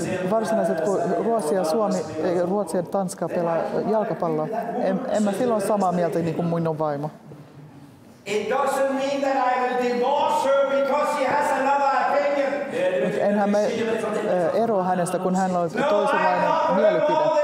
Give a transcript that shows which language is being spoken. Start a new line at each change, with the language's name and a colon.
Finnish: Varsinaiset, kun Ruotsi ja Suomi, Ruotsi ja Tanska pelaa jalkapalloa, en mä silloin samaa mieltä niin kuin minun vaimo.
English: It doesn't mean that I will divorce her because she has another opinion.
Finnish: Mut enhän mä eroa hänestä, kun hän on toisenlainen mielipide.